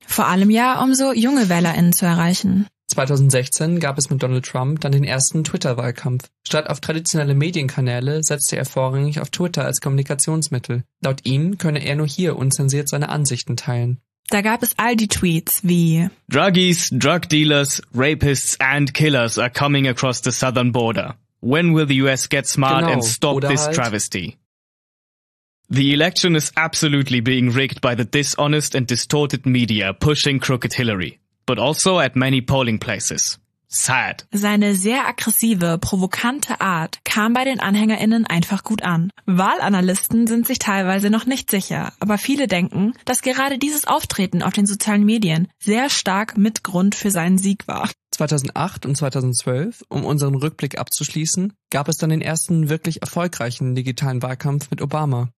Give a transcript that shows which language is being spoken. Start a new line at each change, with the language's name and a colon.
German: Vor allem ja, um so junge WählerInnen zu erreichen. 2016 gab es mit Donald Trump dann den ersten Twitter-Wahlkampf. Statt auf traditionelle Medienkanäle setzte er vorrangig auf Twitter als Kommunikationsmittel. Laut ihm könne er nur hier unzensiert seine Ansichten teilen. Da gab es all die Tweets wie:
English: Druggies, drug dealers, rapists and killers are coming across the southern border. When will the US get smart
German: genau,
English: and stop this travesty? The election is absolutely being rigged by the dishonest and distorted media pushing crooked Hillary. But also at many polling places. Sad.
German: Seine sehr aggressive, provokante Art kam bei den AnhängerInnen einfach gut an. Wahlanalysten sind sich teilweise noch nicht sicher, aber viele denken, dass gerade dieses Auftreten auf den sozialen Medien sehr stark Mitgrund für seinen Sieg war. 2008 und 2012, um unseren Rückblick abzuschließen, gab es dann den ersten wirklich erfolgreichen digitalen Wahlkampf mit Obama.